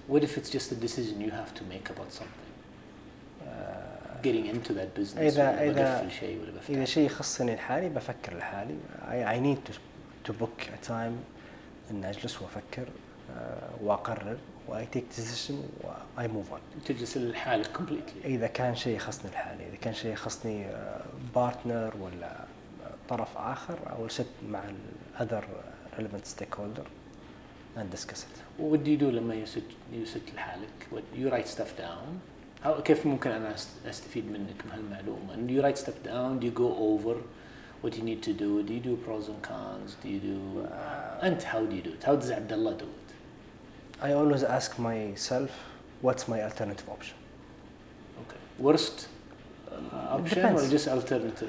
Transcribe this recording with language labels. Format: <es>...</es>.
<en>What if it's just a decision you have to make about something? getting into that business.</en> <ar>إذا شيء يخصني الحالي بفكر لحالي.</ar> <en>I need to book a time</en> <ar>إن أجلس وأفكر وأقرر.</ar> <en>I take decision. I move on.</en> <ar>تجلس الحالة</ar> <en>completely.</en> <ar>إذا كان شيء يخصني الحالي. إذا كان شيء يخصني partner ولا طرف آخر أو set مع</ar> <en>other relevant stakeholder. And discuss it. What do you do</en> <ar>لما</ar> <en>you sit</en> <ar>لحالك?</ar> <en>What you write stuff down? How</en> <ar>كيف ممكن أنا أستفيد منك من هالمعلومة?</ar> <en>And you write stuff down? Do you go over what you need to do? Do you do pros and cons? Do you do? And how do you do it? How does Abdullah do it? I always ask myself, what's my alternative option? Okay. Worst option or just alternative?</en>